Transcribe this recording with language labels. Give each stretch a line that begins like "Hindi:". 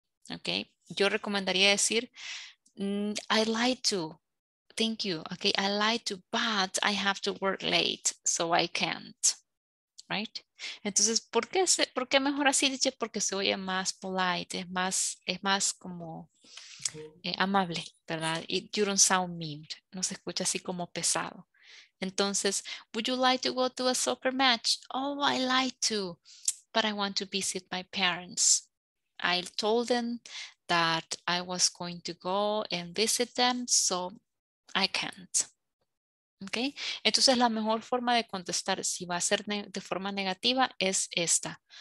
English: Okay?
Spanish: Yo recomendaría decir
English: I like to, thank you. Okay? I like to, but I have to work late, so I can't. Right?
Spanish: Entonces, ¿por qué mejor así? Porque se oye más polite, es más como amable, ¿verdad?
English: You don't sound mean,
Spanish: no se escucha así como pesado.
English: Entonces, would you like to go to a soccer match? Oh, I like to, but I want to visit my parents. I told them that I was going to go and visit them, so I can't. Okay.
Spanish: Entonces la mejor forma de contestar si va a ser de forma negativa es esta.